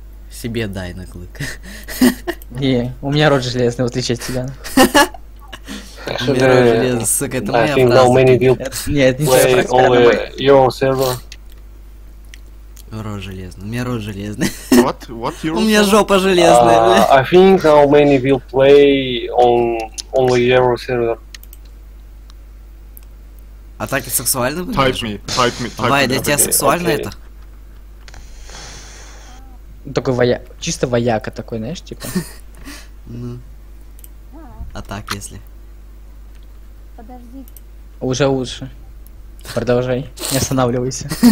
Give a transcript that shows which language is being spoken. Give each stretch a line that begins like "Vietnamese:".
Russian: Себе дай на клык. Не, у меня рот железный, в отличие от тебя. У меня рот железный, сука, это моя фраза. Нет, не сука, это моя. Рот железный. У меня рот железный.
English: What your...
Russian: У меня жопа железная.
English: I think how many will play on only Euro server.
Russian: А так и сексуально будет?
English: Type me.
Russian: Давай, для тебя сексуально это? Такой вояка. Чисто вояка такой, знаешь, типа. Ну, А так если? Подожди. Уже лучше. Продолжай. Не останавливайся.